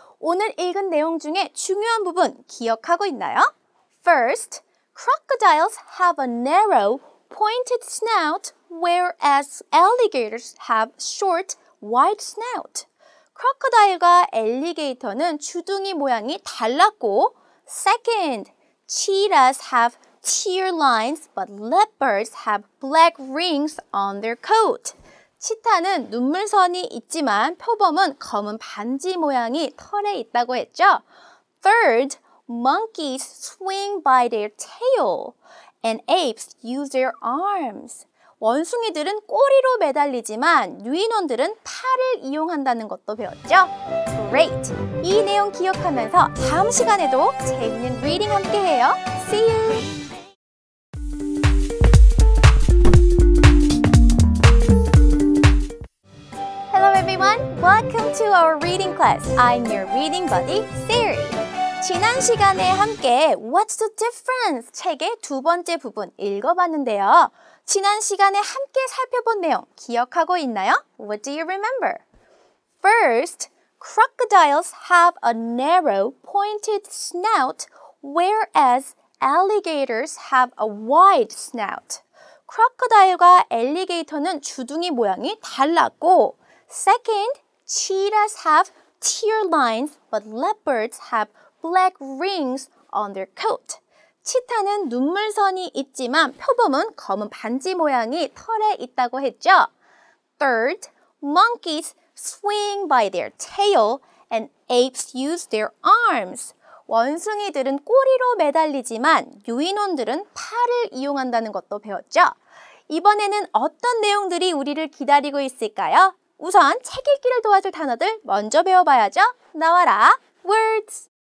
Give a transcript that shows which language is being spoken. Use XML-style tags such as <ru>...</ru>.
<ko>오늘 읽은 내용 중에 중요한 부분 기억하고 있나요?</ko> <en>First, crocodiles have a narrow, pointed snout, whereas alligators have short, wide snout.</en> <ko>크로커다일과 엘리게이터는 주둥이 모양이 달랐고,</ko> <en>Second, cheetahs have tear lines, but leopards have black rings on their coat.</en> <ko>치타는 눈물선이 있지만 표범은 검은 반지 모양이 털에 있다고 했죠.</ko> <en>Third, monkeys swing by their tail, and apes use their arms.</en> <ko>원숭이들은 꼬리로 매달리지만 유인원들은 팔을 이용한다는 것도 배웠죠?</ko> <en>Great!</en> <ko>이 내용 기억하면서 다음 시간에도 재밌는 리딩 함께해요.</ko> <en>See you! Hello everyone! Welcome to our reading class. I'm your reading buddy, Siri.</en> <ko>지난 시간에 함께 What's the Difference? 책의 두 번째 부분 읽어봤는데요. 지난 시간에 함께 살펴본 내용 기억하고 있나요?</ko> <en>What do you remember? First, crocodiles have a narrow, pointed snout, whereas alligators have a wide snout.</en> <ko>크로커다일과 엘리게이터는 주둥이 모양이 달랐고,</ko> <en>Second, cheetahs have tear lines, but leopards have black rings on their coat.</en> <ko>치타는 눈물선이 있지만 표범은 검은 반지 모양이 털에 있다고 했죠.</ko> <en>Third, monkeys swing by their tail and apes use their arms.</en> <ko>원숭이들은 꼬리로 매달리지만 유인원들은 팔을 이용한다는 것도 배웠죠. 이번에는 어떤 내용들이 우리를 기다리고 있을까요? 우선 책 읽기를 도와줄 단어들 먼저 배워봐야죠. 나와라, words!</ko>